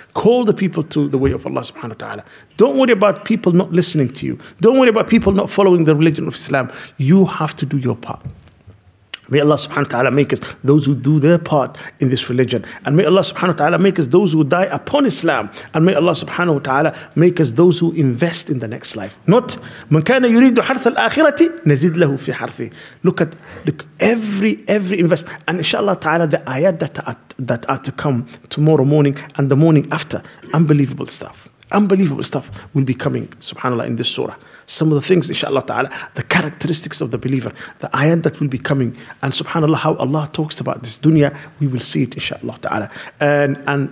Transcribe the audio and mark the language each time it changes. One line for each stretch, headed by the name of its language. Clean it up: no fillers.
English: Call the people to the way of Allah subhanahu wa ta'ala. Don't worry about people not listening to you. Don't worry about people not following the religion of Islam. You have to do your part. May Allah subhanahu wa ta'ala make us those who do their part in this religion. And may Allah subhanahu wa ta'ala make us those who die upon Islam. And may Allah subhanahu wa ta'ala make us those who invest in the next life.
Arabic: Not, من كان يريد حرث الآخرة نزيد له في حرثه.
English: Look, every investment. And inshallah ta'ala, the ayat that are to come tomorrow morning and the morning after, unbelievable stuff. Unbelievable stuff will be coming, subhanAllah, in this surah. Some of the things, inshaAllah ta'ala, the characteristics of the believer, the ayat that will be coming, and subhanAllah, how Allah talks about this dunya, we will see it, inshaAllah ta'ala.